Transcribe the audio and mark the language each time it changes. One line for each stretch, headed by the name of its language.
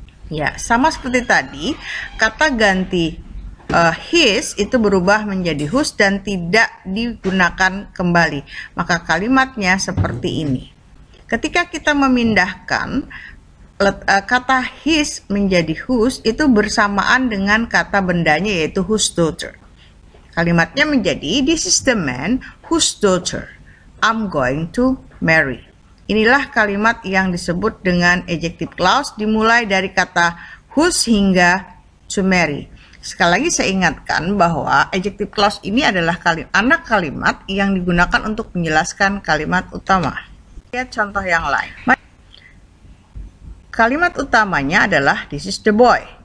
Indonesian: Ya, sama seperti tadi, kata ganti his itu berubah menjadi whose dan tidak digunakan kembali. Maka kalimatnya seperti ini. Ketika kita memindahkan kata his menjadi whose, itu bersamaan dengan kata bendanya, yaitu
English: whose daughter.
Indonesian: Kalimatnya menjadi,
English: this is the man whose daughter I'm going to marry.
Indonesian: Inilah kalimat yang disebut dengan adjective clause, dimulai dari kata whose hingga to marry. Sekali lagi saya ingatkan bahwa adjective clause ini adalah anak kalimat yang digunakan untuk menjelaskan kalimat utama. Lihat contoh yang lain. Kalimat utamanya adalah
English: this is the boy.